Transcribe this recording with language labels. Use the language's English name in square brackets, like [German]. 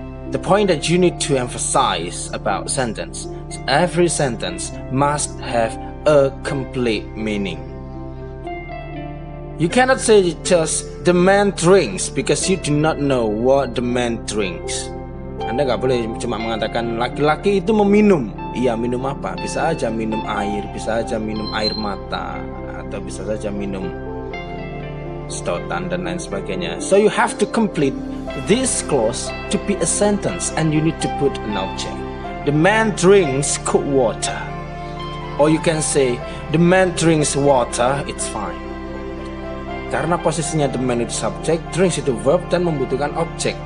[English] The point that you need to emphasize about sentence is every sentence must have a complete meaning. You cannot say just the man drinks because you do not know what the man drinks. [Indonesian] Anda enggak boleh cuma mengatakan laki-laki itu meminum. Iya, minum apa? Bisa aja minum air, bisa aja minum air mata, atau bisa saja minum sedotan dan lain sebagainya. [English] So you have to complete this clause to be a sentence, and you need to put an object. The man drinks cold water. Or you can say the man drinks water, it's fine. [Indonesian] Karena posisinya [English] the man [Indonesian] itu subject, [English] drinks [Indonesian] itu verb dan membutuhkan objek.